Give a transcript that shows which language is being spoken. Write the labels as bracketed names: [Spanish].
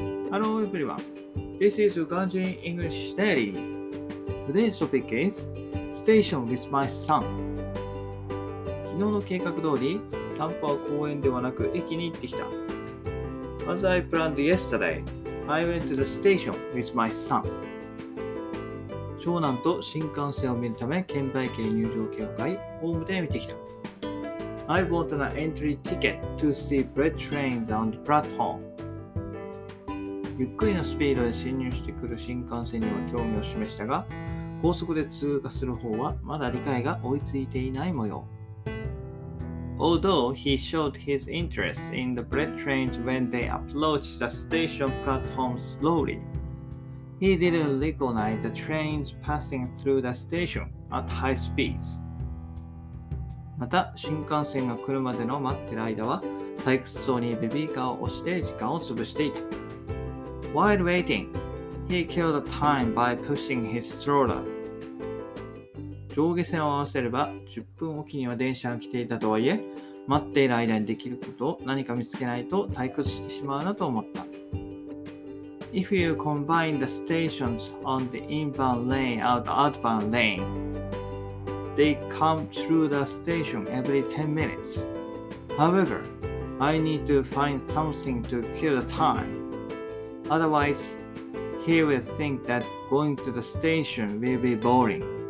[English] Hello everyone, this is Ganjin English Daily. Today's topic is Station with my son. [Japanese] 昨日の計画通り散歩は公園ではなく駅に行ってきた。 [English] As I planned yesterday, I went to the station with my son. [Japanese] 長男と新幹線を見るため券売機入場券を買いホームで見てきた。 [English] I bought an entry ticket to see bullet trains on the platform. [Japanese] ゆっくりのスピードで進入してくる新幹線には興味を示したが、高速で通過する方はまだ理解が追いついていない模様。 [English] Although he showed his interest in the bullet trains when they approached the station platform slowly, he didn't recognize the trains passing through the station at high speeds. [Japanese] また、新幹線が来るまでの待ってる間は、退屈そうにベビーカーを押して時間を潰していた。 [English] While waiting, he killed the time by pushing his stroller. [Japanese] 上下線を合わせれば10分おきには電車が来ていたとはいえ、待っている間にできることを何か見つけないと退屈してしまうなと思った。 [English] If you combine the stations on the inbound lane and outbound lane, they come through the station every 10 minutes. However, I need to find something to kill the time. Otherwise, he will think that going to the station will be boring.